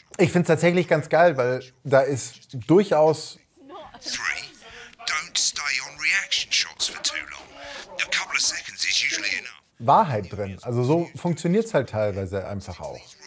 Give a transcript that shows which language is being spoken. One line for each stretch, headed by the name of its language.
German: Ich find's tatsächlich ganz geil, weil da ist durchaus...
English: Three. Don't stay on reaction shots for too long. A couple of seconds is usually enough.
German: Wahrheit drin. Also so funktioniert es halt teilweise einfach auch.